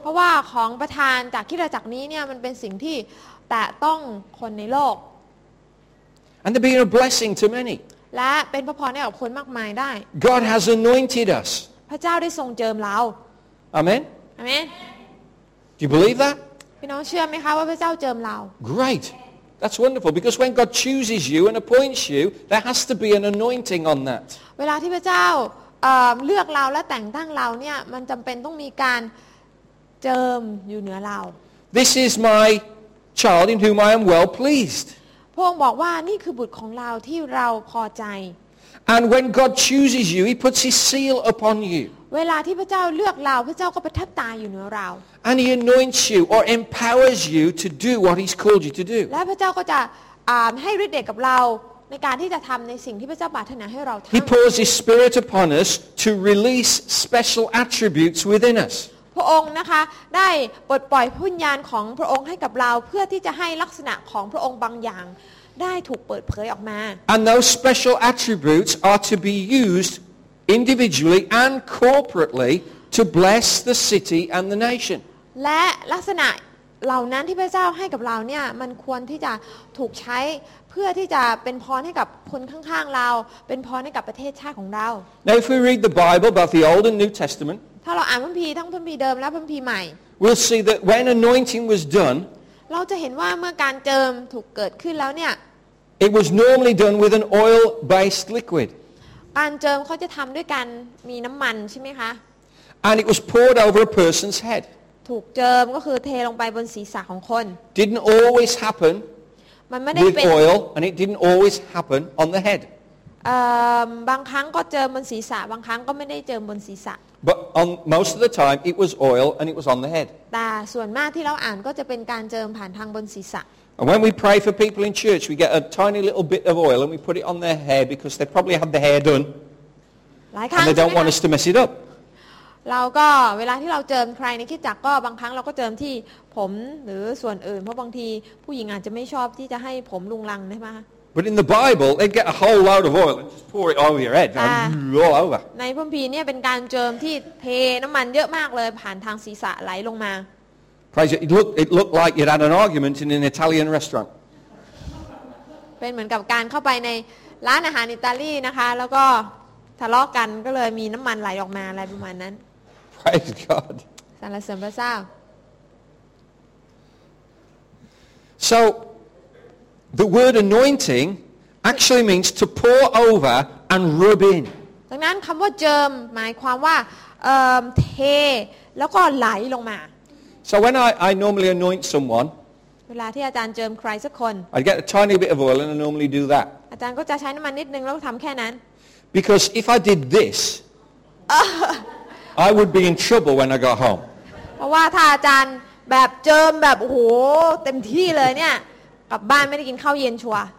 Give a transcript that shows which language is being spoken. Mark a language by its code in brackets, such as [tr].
[th] เพราะว่าของประทานจากคริสตจักรนี้เนี่ยมันเป็นสิ่งที่แตะต้องคนในโลก [en] And they're being a blessing to many. [th] และเป็นพระพรให้กับคนมากมายได้ [en] God has anointed us. [th] พระเจ้าได้ทรงเจิมเรา [en] Amen. Amen. Do you believe that? [th] พี่น้องเชื่อไหมคะว่าพระเจ้าเจิมเรา [en] Great. That's wonderful. Because when God chooses you and appoints you, there has to be an anointing on that. [th] เวลาที่พระเจ้าเลือกเราและแต่งตั้งเราเนี่ยมันจำเป็นต้องมีการเจิมอยู่เหนือเรา [en] This is my child in whom I am well pleased. [th] พระองค์บอกว่านี่คือบุตรของเราที่เราพอใจ [en] And when God chooses you he puts his seal upon you [th] เวลาที่พระเจ้าเลือกเราพระเจ้าก็ประทับตาอยู่เหนือเรา [en] And he anoints you or empowers you to do what he's called you to do [th] และพระเจ้าก็จะให้ฤทธิ์เดชกับเราในการที่จะทําในสิ่งที่พระเจ้าปรารถนาให้เราทํา [en] He pours his spirit upon us to release special attributes within us [th] พระองค์นะคะได้ปลดปล่อยพุ่นยานของพระองค์ให้กับเราเพื่อที่จะให้ลักษณะของพระองค์บางอย่างได้ถูกเปิดเผยออกมา [en] And those special attributes are to be used individually and corporately to bless the city and the nation [th] และลักษณะเหล่านั้นที่พระเจ้าให้กับเราเนี่ยมันควรที่จะถูกใช้เพื่อที่จะเป็นพรให้กับคนข้างๆเราเป็นพรให้กับประเทศชาติของเรา [en] Now if we read the Bible both the Old and New Testament [th] ถ้าเราอ่านพระคัมภีร์ทั้งพระคัมภีร์เดิมและพระคัมภีร์ใหม่ [en] We'll see that when anointing was done [th] เราจะเห็นว่าเมื่อการเจิมถูกเกิดขึ้นแล้วเนี่ย [en] It was normally done with an oil-based liquid [th] การเจิมเขาจะทำด้วยการมีน้ำมันใช่ไหมคะ [en] And it was poured over a person's head [th] ถูกเจิมก็คือเทลงไปบนศีรษะของคน [en] Didn't always happen [th] มันไม่ได้ [en] with oil and it didn't always happen on the head [th] บางครั้งก็เจิมบนศีรษะบางครั้งก็ไม่ได้เจิมบนศีรษะ [en] But on most of the time it was oil and it was on the head [th] แต่ส่วนมากที่เราอ่านก็จะเป็นการเจิมผ่านทางบนศีรษะ [en] And when we pray for people in church we get a tiny little bit of oil and we put it on their hair because they probably had the hair done [th] หลายครั้ง [en] And they don't want us to mess it up [th] เราก็เวลาที่เราเจิมใครในคริสตจักรก็บางครั้งเราก็เจิมที่ผมหรือส่วนอื่นเพราะบางทีผู้หญิงอาจจะไม่ชอบที่จะให้ผมลุงลังใช่มั้ย [en] But in the Bible, they'd get a whole load of oil and just pour it over your head all over. [th] ในพระคัมภีร์เนี่ยเป็นการเจิมที่เทน้ำมันเยอะมากเลยผ่านทางศีรษะไหลลงมา [en] Praise it. It looked like you'd had an argument in an Italian restaurant. [th] เป็นเหมือนกับการเข้าไปในร้านอาหารอิตาลีนะคะแล้วก็ทะเลาะกันก็เลยมีน้ำมันไหลออกมาอะไรประมาณนั้น [en] Praise God. [th] สรรเสริญพระเจ้า [en] So. The word anointing actually means to pour over and rub in. [th] ดังนั้นคำว่าเจิมหมายความว่าเทแล้วก็ไหลลงมา [en] So when I normally anoint someone, [th] เวลาที่อาจารย์เจิมใครสักคน [en] I get a tiny bit of oil and I normally do that. [th] อาจารย์ก็จะใช้น้ำมันนิดนึงแล้วทำแค่นั้น [en] Because if I did this, I would be in trouble when I got home. [th] เพราะว่าถ้าอาจารย์แบบเจิมแบบโอ้โหเต็มที่เลยเนี่ยกลับบ้านไม่ได้กินข้าวเย็นชัว